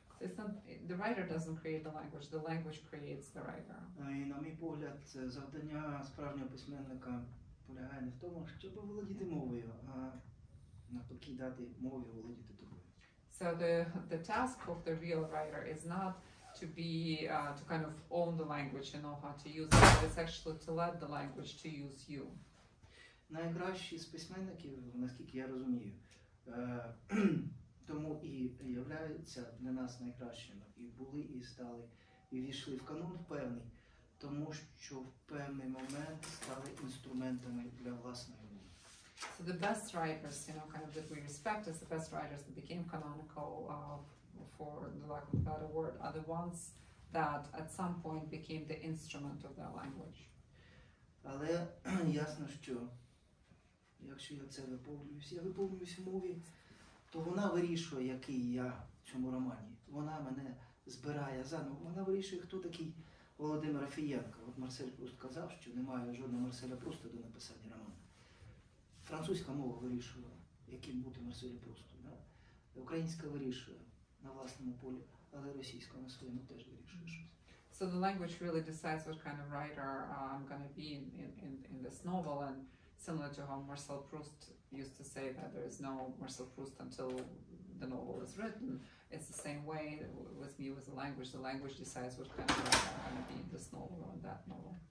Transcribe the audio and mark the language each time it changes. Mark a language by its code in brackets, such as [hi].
[en] So it's not, the writer doesn't create the language creates the writer. [uk] І на мій погляд, завдання справжнього письменника полягає не в тому, щоб володіти мовою, а навпаки дати мові володіти тобою. [en] So the task of the real writer is not to be to kind of own the language and know how to use it, but it's actually to let the language to use you. [uk] Найкращі з письменників, наскільки я розумію, тому і являються для нас найкращими, і були, і стали, і війшли в канон впевнений, тому що в певний момент стали інструментами для власної мови. [en] So the best writers, you know, kind of that we respect as the best writers that became canonical, for the lack of a better word, are the ones that at some point became the instrument of their language. [uk] Але ясно, що якщо я це виповнююсь, я виповнююсь в мові, то вона вирішує, який я в цьому романі. Вона мене збирає заново, вона вирішує, хто такий Володимир Рафеєнко. От Марсель Пруст казав, що немає жодного Марселя Пруста до написання роману. Французька мова вирішує, яким бути Марселю Прусту. Да? Українська вирішує на власному полі, але російська на своєму теж вирішує щось. [en] So the language really decides what kind of writer I'm going to be in this novel, and similar to how Marcel Proust used to say that there is no Marcel Proust until the novel is written. It's the same way with me with the language. The language decides what kind of writer I'm going to be in this novel or in that novel.